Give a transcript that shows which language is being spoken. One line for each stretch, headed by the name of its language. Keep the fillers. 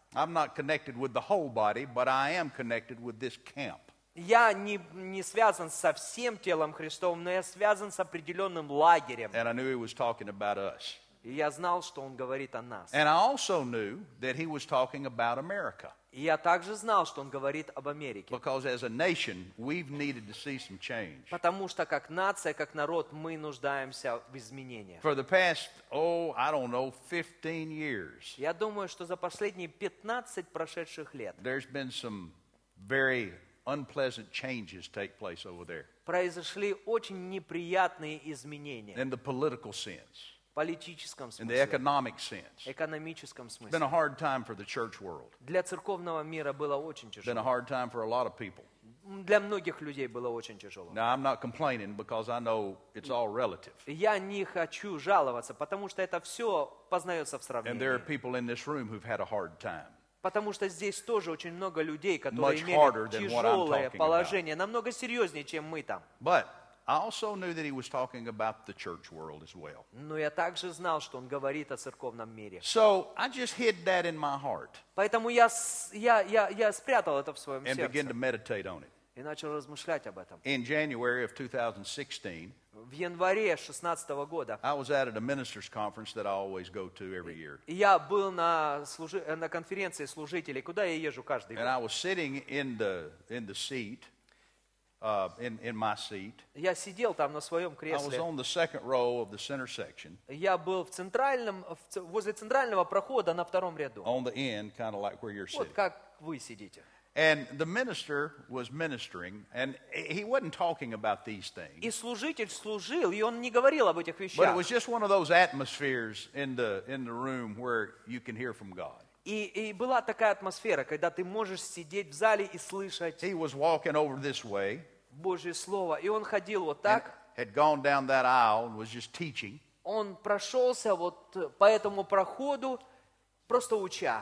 Russian: Я не, не связан со всем телом Христовым, но я связан с определенным лагерем. И я знал, что он говорил о нас.
English: Знал, and I also knew that he was talking about America.
Russian: И я также знал, что
English: Because as a nation, we've needed to see some change. For the past, oh, I don't know, 15 years.
Russian: Я думаю, что за последние 15 прошедших
English: There's been some very unpleasant changes take place over there. In the political sense.
Russian: политическом смысле,
English: in the economic sense,
Russian: экономическом смысле.
English: It's been a hard time
Russian: Для церковного мира было очень тяжело. Been Для многих людей было очень тяжело. Я не хочу жаловаться, потому что это все познается в сравнении. Потому что здесь тоже очень много людей, которые имеют тяжелое положение, намного серьезнее, чем мы там.
English: I also knew that he was talking about the church world as well.
Russian: Но я также знал, что он говорит о церковном мире.
English: So I just hid that in my heart.
Russian: Поэтому я я я я спрятал это в своем
English: And began to meditate on it.
Russian: И начал размышлять об этом.
English: In January of 2016.
Russian: В январе 16 года.
English: I was at a ministers conference that I always go to every year.
Russian: Я был на служи на конференции служителей, куда я езжу каждый год.
English: And I was sitting in the in the seat. Uh, in, in my seat.
Russian: Я сидел там на своем кресле.
English: I was on the second row of the center section.
Russian: Я был в центральном, в, возле центрального прохода на втором ряду.
English: On the end, kind of like where you're sitting.
Russian: Вот как вы сидите.
English: And the minister was ministering, and he wasn't talking about these things.
Russian: И служитель служил, и он не говорил об этих вещах.
English: But it was just one of those atmospheres in the in the room where you can hear from God.
Russian: И, и была такая атмосфера, когда ты можешь сидеть в зале и слышать way, Божье Слово. И он ходил вот так. Он прошелся вот по этому проходу, просто уча.